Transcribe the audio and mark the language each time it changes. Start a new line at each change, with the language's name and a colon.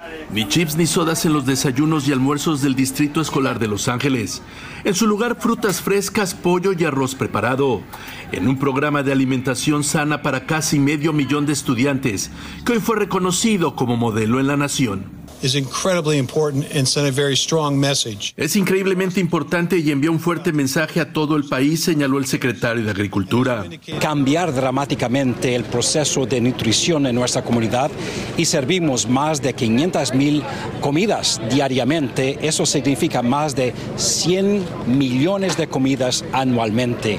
Spanish: Ni chips ni sodas en los desayunos y almuerzos del Distrito Escolar de Los Ángeles. En su lugar, frutas frescas, pollo y arroz preparado. En un programa de alimentación sana para casi medio millón de estudiantes, que hoy fue reconocido como modelo en la nación.
English: Is incredibly important and sent a very strong message.
Spanish: Es increíblemente importante y envió un fuerte mensaje a todo el país, señaló el secretario de Agricultura. Cambiar dramáticamente el proceso de nutrición en nuestra comunidad y servimos más de 500 mil comidas diariamente. Eso significa más de 100 millones de comidas anualmente.